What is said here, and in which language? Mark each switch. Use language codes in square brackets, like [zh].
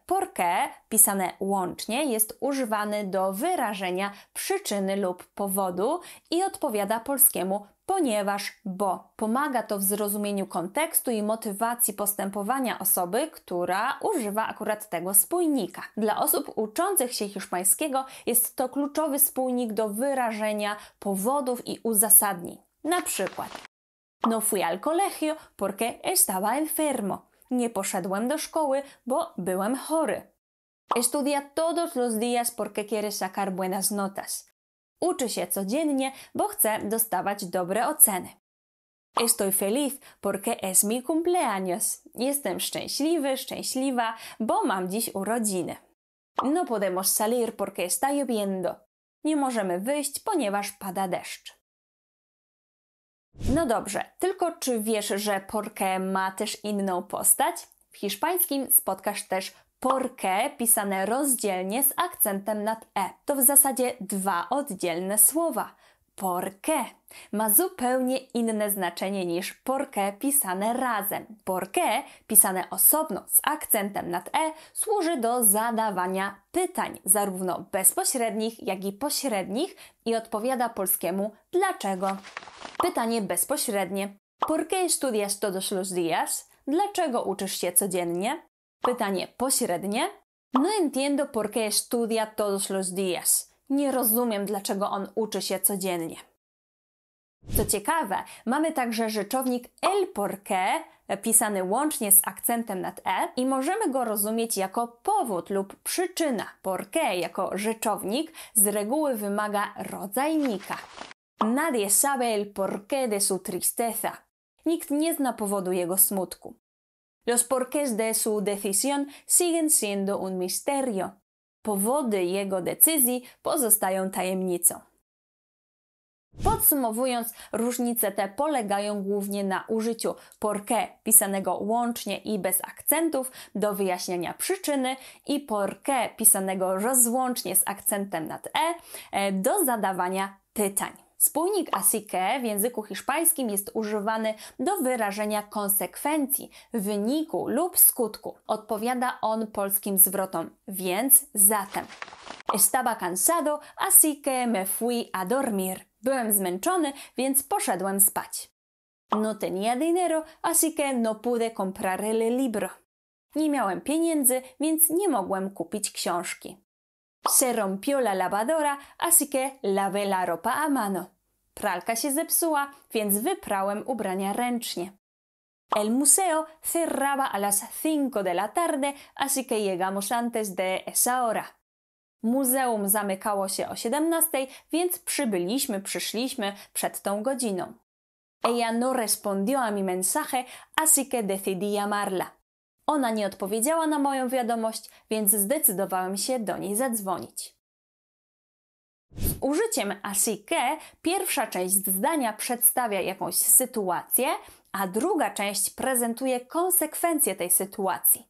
[pl] Por qué, pisane łącznie, jest używany do wyrażenia przyczyny lub powodu i odpowiada polskiemu ponieważ, bo. Pomaga to w zrozumieniu kontekstu i motywacji postępowania osoby, która używa akurat tego spójnika. Dla osób uczących się hiszpańskiego jest to kluczowy spójnik do wyrażenia powodów i uzasadnień. Na przykład: [es] No fui al colegio porque estaba enfermo. [pl] Nie poszedłem do szkoły, bo byłem chory. [es] Estudia todos los días porque quiere sacar buenas notas. [pl] Uczy się codziennie, bo chce dostawać dobre oceny. [es] Estoy feliz porque es mi cumpleaños. [pl] Jestem szczęśliwa, bo mam dziś urodziny. [es] No podemos salir porque está lloviendo. [pl] Nie możemy wyjść, ponieważ pada deszcz. No dobrze, tylko czy wiesz, że porque ma też inną postać? W hiszpańskim spotkasz też porque pisane rozdzielnie z akcentem nad e. To w zasadzie dwa oddzielne słowa. Porque ma zupełnie inne znaczenie niż porque pisane razem. Porque pisane osobno z akcentem nad e służy do zadawania pytań, zarówno bezpośrednich, jak i pośrednich i odpowiada polskiemu dlaczego. Pytanie bezpośrednie. [es] ¿Por qué estudias todos los días? [pl] Dlaczego uczysz się codziennie? Pytanie pośrednie. [es] No entiendo, por qué estudia todos los días. [pl] Nie rozumiem, dlaczego on uczy się codziennie. Co ciekawe, mamy także rzeczownik el por qué, pisany łącznie z akcentem nad e, i możemy go rozumieć jako powód lub przyczyna. Por qué jako rzeczownik z reguły wymaga rodzajnika. [es] Nadie sabe el por qué de su tristeza. [pl] Nikt nie zna powodu jego smutku. [es] Los porqués de su decisión siguen siendo un misterio. [pl] Powody jego decyzji pozostają tajemnicą. Podsumowując, różnice te polegają głównie na użyciu porqué pisanego łącznie i bez akcentów do wyjaśniania przyczyny i porqué pisanego rozłącznie z akcentem nad e do zadawania pytań. Spójnik así que w języku hiszpańskim jest używany do wyrażenia konsekwencji, wyniku lub skutku. Odpowiada on polskim zwrotom, więc zatem. [es] Estaba cansado, así que me fui a dormir. [pl] Byłem zmęczony, więc poszedłem spać. [es] No tenía dinero, así que no pude comprar el libro. [pl] Nie miałem pieniędzy, więc nie mogłem kupić książki. [es] Se rompió la lavadora, así que lavé la ropa a mano. [pl] Pralka się zepsuła, więc wyprałem ubrania ręcznie. [es] El museo cerraba a las 5 de la tarde, así que llegamos antes de esa hora. [pl] Muzeum zamykało się o 17, więc przyszliśmy przed tą godziną. [es] Ella no respondió a mi mensaje, así que decidí llamarla. [pl] Ona nie odpowiedziała na moją wiadomość, więc zdecydowałem się do niej zadzwonić. Z użyciem así que pierwsza część zdania przedstawia jakąś sytuację, a druga część prezentuje konsekwencje tej sytuacji.